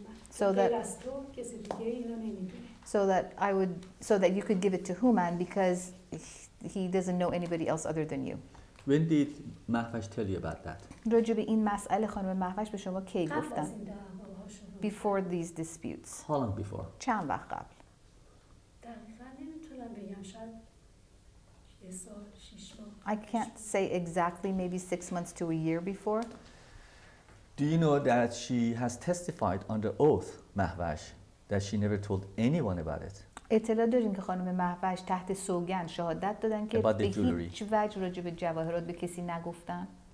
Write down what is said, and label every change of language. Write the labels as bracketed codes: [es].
[en] So that you could give it to Human because he doesn't know anybody else other than you. When did Mahfash tell you about that? [fa] راجع به این مسئله خانم مهفش به شما کی گفتن؟ [en] Before these disputes. How long before? [fa] چند وقت قبل. دقیقاً نمیتونم بگم شاید 6 ماه. [en] I can't say exactly, maybe 6 months to a year before. Do you know that she has testified under oath, Mahfash, that she never told anyone about it? [fa] اطلاع داریم که خانم مهفش تحت سوگند شهادت دادن که به هیچ وجه راجع به جواهرات به کسی نگفتن.